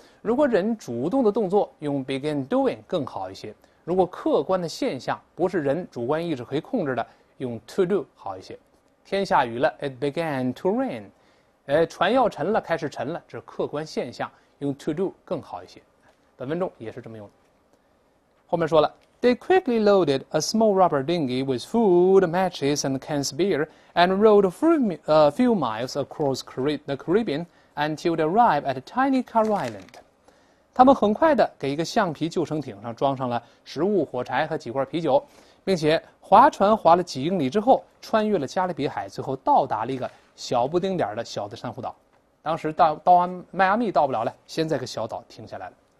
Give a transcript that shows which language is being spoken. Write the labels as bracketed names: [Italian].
[Chinese] 如果人主动的动作，用 [English] begin doing [Chinese] 更好一些；如果客观的现象不是人主观意识可以控制的，用 [English] to do [Chinese] 好一些。天下雨了 [English] ，it began to rain。 [Chinese] 船要沉了，开始沉了，这是客观现象，用 [English] to do [Chinese] 更好一些。本文中也是这么用的。后面说了 [English] ，They quickly loaded a small rubber dinghy with food, matches, and cans of beer, and rowed a few miles across the Caribbean until they arrived at a tiny car island. [Chinese] 他们很快地给一个橡皮救生艇上装上了食物、火柴和几罐啤酒，并且划船划了几英里之后，穿越了加勒比海，最后到达了一个小不丁点的小的珊瑚岛。当时到迈阿密到不了了，先在个小岛停下来了。